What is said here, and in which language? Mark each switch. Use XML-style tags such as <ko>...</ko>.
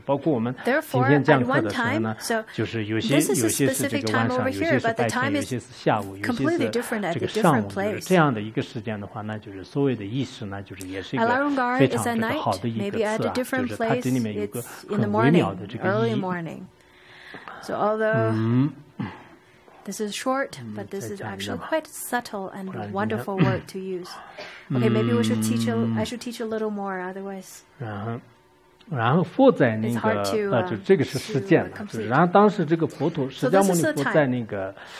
<zh>包括我们今天讲课的时候呢，就是有些是这个晚上，有些是白天，有些是下午，有些是这个上午，这样的一个时间的话，那就是所谓的意识呢，就是也是一个非常这个好的一个词啊，就是它这里面有个很微妙的这个意义。</zh> <en>Morning. So although this is short, but this is actually quite subtle and wonderful word to use. Okay, maybe we should teach. I should teach a little more, otherwise.</en> <zh>然后佛在那个就这个是实践了，就是然后当时这个佛陀释迦牟尼佛在那个</zh>